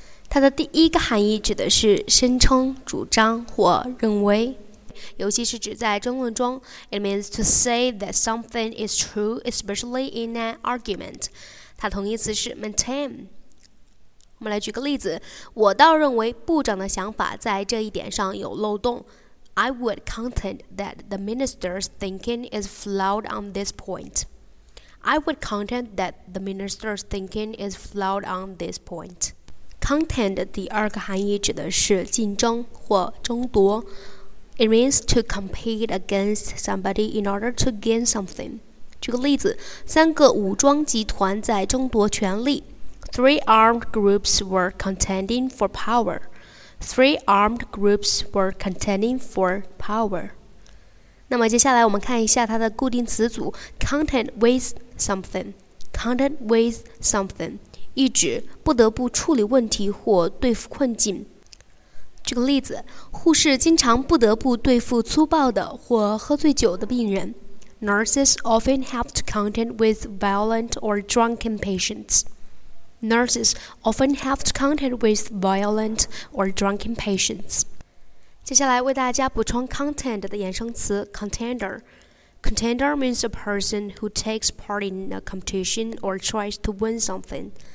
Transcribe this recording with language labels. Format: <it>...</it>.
<zh>它的第一个含义指的是声称、主张或认为，尤其是指在争论中。</zh> <en>It means to say that something is true, especially in an argument.</en> <zh>它同义词是 maintain. 我们来举个例子，我倒认为部长的想法在这一点上有漏洞。</zh> <en>I would contend that the minister's thinking is flawed on this point. I would contend that the minister's thinking is flawed on this point.</en> <zh>Contend 第二个含义指的是竞争或争夺。</zh> <en>It means to compete against somebody in order to gain something.</en> <zh>举个例子，三个武装集团在争夺权力。</zh> <en>Three armed groups were contending for power. Three armed groups were contending for power.</en> <zh>那么接下来我们看一下它的固定词组</zh> <en>content with something. Content with something</en> <zh>意指不得不处理问题或对付困境。举个例子，护士经常不得不对付粗暴的或喝醉酒的病人。</zh> <en>Nurses often have to contend with violent or drunken patients. Nurses often have to contend with violent or drunken patients.</en> <zh>接下来为大家补充 contend 的衍生词 contender.</zh> <en>Contender means a person who takes part in a competition or tries to win something.</en>